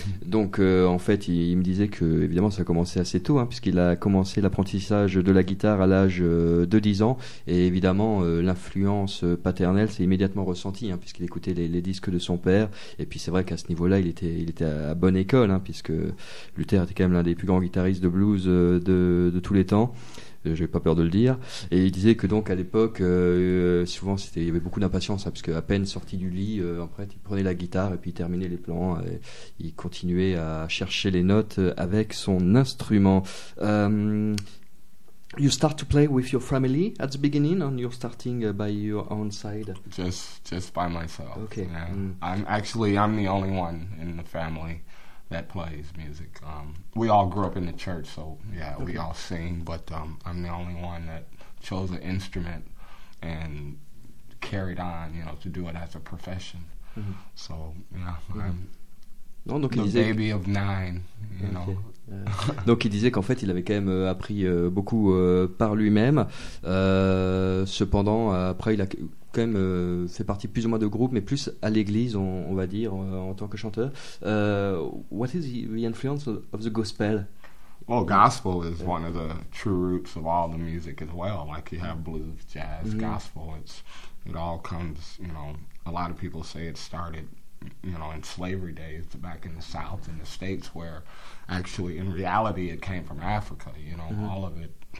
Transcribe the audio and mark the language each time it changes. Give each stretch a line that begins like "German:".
French: Donc en fait il me disait que évidemment ça a commencé assez tôt hein, puisqu'il a commencé l'apprentissage de la guitare à l'âge de 10 ans et évidemment l'influence paternelle s'est immédiatement ressentie hein, puisqu'il écoutait les disques de son père et puis c'est vrai qu'à ce niveau-là il était à bonne école hein, puisque Luther était quand même l'un des plus grands guitaristes de blues de tous les temps. J'ai pas peur de le dire. Et il disait que donc à l'époque, souvent c'était, il y avait beaucoup d'impatience, hein, parce que à peine sorti du lit, après il prenait la guitare et puis il terminait les plans. Et il continuait à chercher les notes avec son instrument.
English: You start to play with your family at the beginning, or you're starting by your own side? Just by myself. Okay. Yeah. I'm the only one in the family that plays music. We all grew up in the church, so yeah, okay. We all sing, but I'm the only one that chose an instrument and carried on, you know, to do it as a profession. Mm-hmm. So, yeah, mm-hmm.
French: Non, donc
English: the
French: il disait baby que... of nine, you okay. know. Donc il disait qu'en fait il avait quand même appris beaucoup par lui-même. Cependant, après il a quand même fait partie plus ou moins de groupes, mais plus à l'église, on va dire, en tant que chanteur.
English: What is the influence of the gospel? Well, gospel is one of the true roots of all the music as well. Like you have blues, jazz, mm-hmm. gospel. It all comes, you know. A lot of people say it started, you know, in slavery days back in the South, in the States, where actually, in reality, it came from Africa, you know, mm-hmm. all of it.